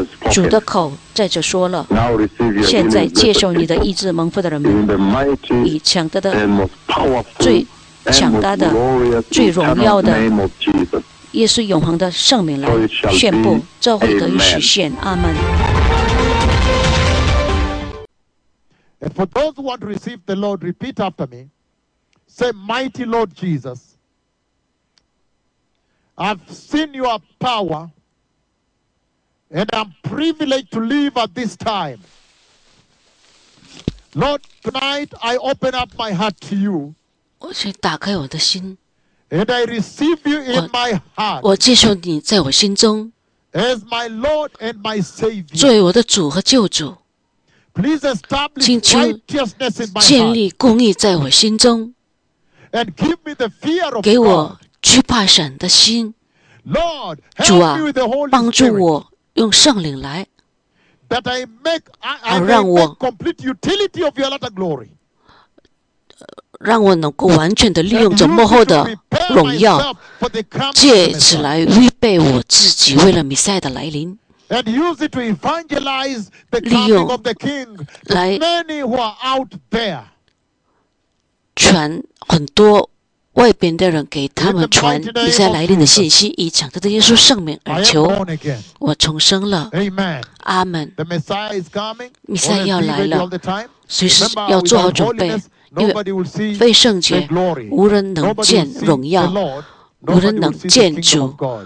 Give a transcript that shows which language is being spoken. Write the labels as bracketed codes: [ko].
[zh] 主的口在这说了，现在接受你的医治，蒙福的人们，以强大的、最强大的、最荣耀的耶稣永恒的圣名来宣布，这会得以实现。阿们。 [en] And for those who want to receive the Lord, repeat after me. Say, Mighty Lord Jesus, I've seen your power, and I'm privileged to live at this time. Lord, tonight I open up my heart to you. [zh] 我去打开我的心。 [en] And I receive you in my heart. [zh] 我接受你在我心中。 [en] As my Lord and my Savior. [zh] 作为我的主和救主。 [en] Please establish righteousness in my heart. [zh] 建立公义在我心中。 [en] And give me the fear of God. [zh] 给我惧怕神的心。 [en] Lord, help me with the Holy Spirit. [zh] 主啊，帮助我用圣灵来。 [en] That I make, I make complete utility of your utter glory. [zh] 让我能够完全的利用这幕后的荣耀，借此来预备我自己，为了弥赛亚的来临。 [en] And use it to evangelize the coming of the King to many who are out there. [zh] 传很多外边的人给他们传弥赛亚来临的信息，以强大的耶稣圣名而求。我重生了。阿门。弥赛亚要来了，随时要做好准备，因为非圣洁，无人能见荣耀，无人能见主。